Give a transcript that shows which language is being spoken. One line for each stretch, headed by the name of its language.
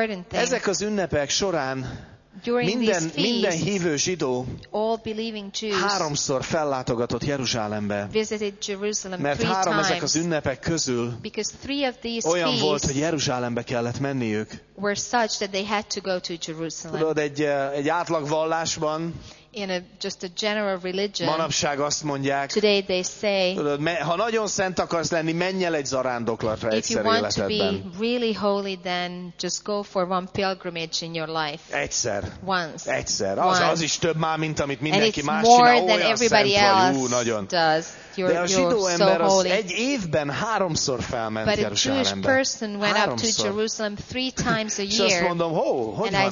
Hungarian: Ezek az ünnepek során
English: during
Hungarian: minden,
English: these feasts,
Hungarian: minden hívő zsidó
English: all believing Jews
Hungarian: háromszor fellátogatott Jeruzsálembe,
English: visited Jerusalem
Hungarian: mert
English: three
Hungarian: három
English: times,
Hungarian: ezek az ünnepek közül
English: because three of these
Hungarian: olyan
English: feasts
Hungarian: volt, hogy Jeruzsálembe kellett menniük.
English: Were such that they had to go to Jerusalem.
Hungarian: Tudod, egy átlag vallásban
English: in a just a general religion.
Hungarian: Manapság azt mondják.
English: Today they say.
Hungarian: Ha nagyon szent akarsz lenni, menj el egy zarándoklatra egyszer életedben.
English: If you want to be really holy, then just go for one pilgrimage in your life.
Hungarian: Egyszer.
English: Once.
Hungarian: Egyszer. Az is több már, mint amit mindenki más csinál.
English: And it's more than everybody else.
Hungarian: Ú, nagyon.
English: Does.
Hungarian: De a zsidó ember az egy évben háromszor felment Jeruzsálembe.
English: But a Jewish person went up to Jerusalem three times a year.
Hungarian: És azt mondom, ho, hogy van ez?